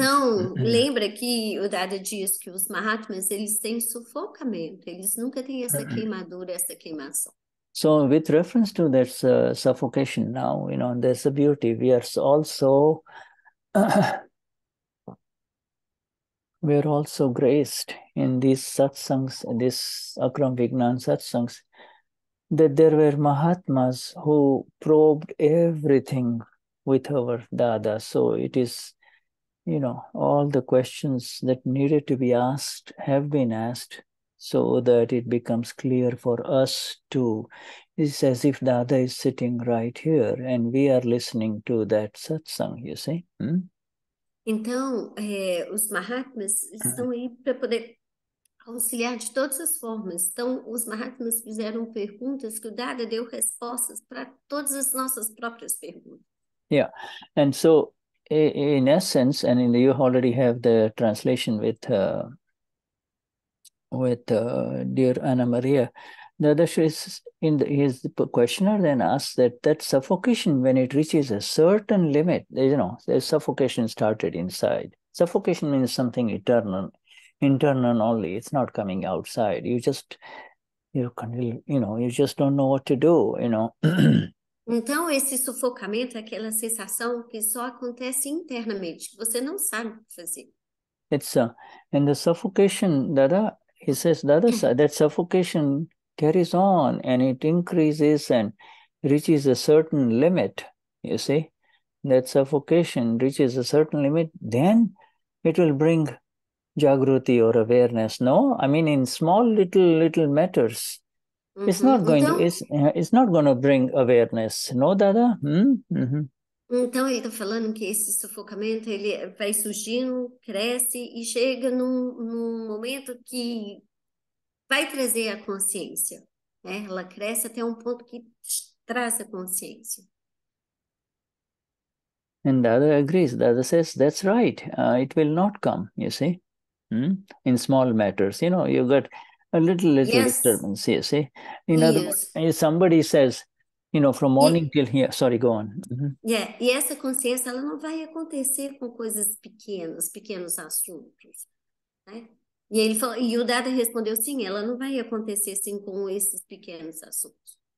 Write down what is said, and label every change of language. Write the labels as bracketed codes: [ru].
[pt] Então, lembra que o Dada diz que os Mahatmas, eles têm sufocamento. Eles nunca têm essa queimadura, essa queimação. [en] So, with reference to that suffocation now, you know, there's a beauty. We are also... we are also graced in these satsangs, these Akram Vignan satsangs, that there were Mahatmas who probed everything with our Dada. So, it is... You know, all the questions that needed to be asked have been asked so that it becomes clear for us too. It's as if Dada is sitting right here and we are listening to that satsang, you see? Hmm? [pt] Então, os Mahatmas estão aí para poder auxiliar de todas as formas. Então, os Mahatmas fizeram perguntas que o Dada deu respostas para todas as nossas próprias perguntas. [en] Yeah, and so... In essence, and in the, you already have the translation with dear Ana Maria, Dadashri is in the, his questioner then asks that that suffocation, when it reaches a certain limit, you know, there's suffocation started inside. Suffocation means something eternal, internal only. It's not coming outside. You just, you just don't know what to do, you know. Então, esse sufocamento, aquela sensação que só acontece internamente, você não sabe o que fazer. It's a, and the suffocation, Dada, he says, Dada, that suffocation carries on and it increases and reaches a certain limit, you see. That suffocation reaches a certain limit, then it will bring Jagruti or awareness, no? I mean, in small little matters, it's not going [pt] então, [en] to, it's not going to bring awareness, no, Dada? [pt] Então, ele está falando que esse sufocamento, ele vai surgindo, cresce e chega num momento que vai trazer a consciência. Né? Ela cresce até um ponto que traz a consciência. [en] And Dada agrees. Dada says, that's right. It will not come, you see. In small matters, you know, you got a little yes. disturbance, you see. In other yes. words, somebody says, you know, from morning till here. Sorry, go on. [pt] Yeah, e essa consciência, ela não vai acontecer com coisas pequenas, pequenos assuntos, né? E ele falou, e o Dada respondeu, sim, ela não vai acontecer assim com esses pequenos assuntos.